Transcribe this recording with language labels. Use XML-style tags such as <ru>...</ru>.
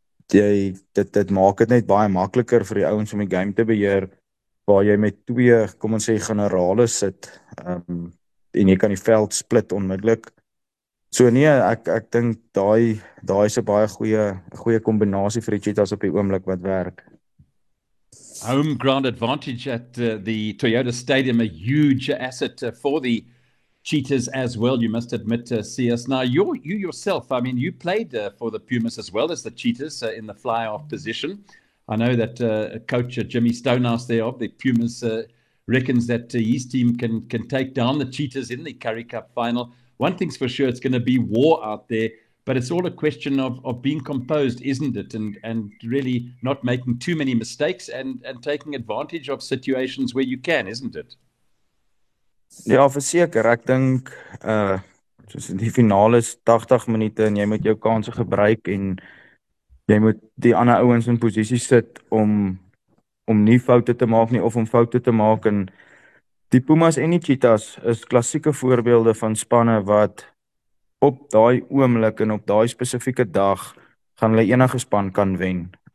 <af>Dit maak dit net baie makliker vir die ouens om die game te beheer waar jy met twee, kom ons sê, generale sit. En jy kan die veld split onmiddellik. So nee, ek dink daai is 'n baie goeie kombinasie vir die Cheetahs op die oomblik wat werk.</af> <en>Home ground advantage at the Toyota Stadium, a huge asset for the Cheetahs as well, you must admit, CS. Now, you yourself, I mean, you played for the Pumas as well as the Cheetahs in the fly-off position. I know that coach Jimmy Stonehouse there of the Pumas reckons that his team can take down the Cheetahs in the Currie Cup final. One thing's for sure, it's going to be war out there, but it's all a question of being composed, isn't it? And really not making too many mistakes and taking advantage of situations where you can, isn't it?</en> <af>Ja, verseker. Ek dink soos in die finale is 80 minute en jy moet jou kansen gebruik en jy moet die ander ouens in posisie sit om nie foute te maak nie of om foute te maak. En die Pumas en die Cheetahs is klassieke voorbeelde van spanne wat op daai oomblik en op daai spesifieke dag gaan hulle enige span kan wen.</af>